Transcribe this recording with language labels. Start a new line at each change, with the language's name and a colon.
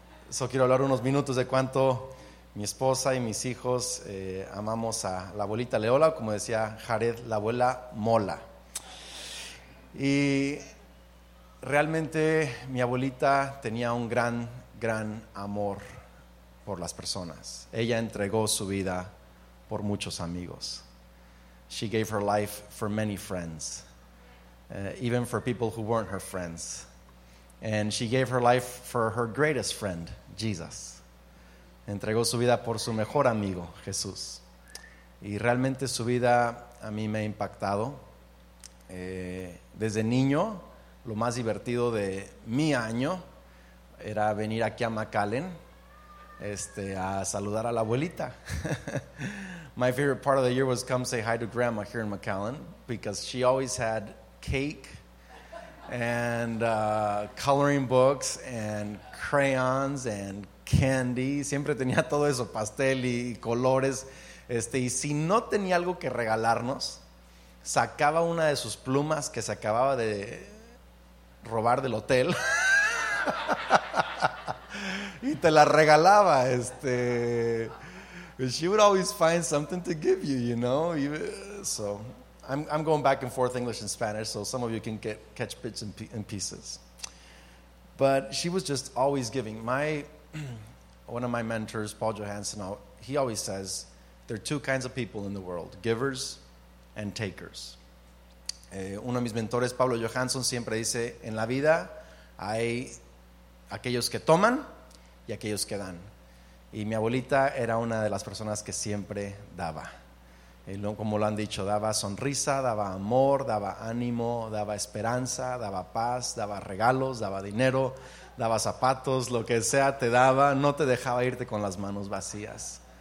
Spanish: So quiero hablar unos minutos de cuánto mi esposa y mis hijos amamos a la abuelita Leola, como decía Jared, la abuela Mola. Y realmente mi abuelita tenía un gran, gran amor por las personas. Ella entregó su vida por muchos amigos.
English: She gave her life for many friends, even for people who weren't her friends. And she gave her life for her greatest friend, Jesus.
Spanish: Entregó su vida por su mejor amigo, Jesús. Y realmente su vida a mí me ha impactado. Desde niño, lo más divertido de mi año era venir aquí a McAllen a saludar a la abuelita.
English: My favorite part of the year was come say hi to grandma here in McAllen, because she always had cake and coloring books and crayons and candy.
Spanish: Siempre tenía todo eso, pastel y colores. Y si no tenía algo que regalarnos, sacaba una de sus plumas que se acababa de robar del hotel y te la regalaba.
English: She would always find something to give you, you know. So I'm going back and forth English and Spanish, so some of you can catch bits and pieces. But she was just always giving. One of my mentors, Paul Johansson, he always says there are two kinds of people in the world: givers and takers.
Spanish: Uno de mis mentores, Pablo Johansson, siempre dice, en la vida hay aquellos que toman y aquellos que dan. Y mi abuelita era una de las personas que siempre daba. Como lo han dicho, daba sonrisa, daba amor, daba ánimo, daba esperanza, daba paz, daba regalos, daba dinero, daba zapatos, lo que sea te daba, no te dejaba irte con las manos vacías.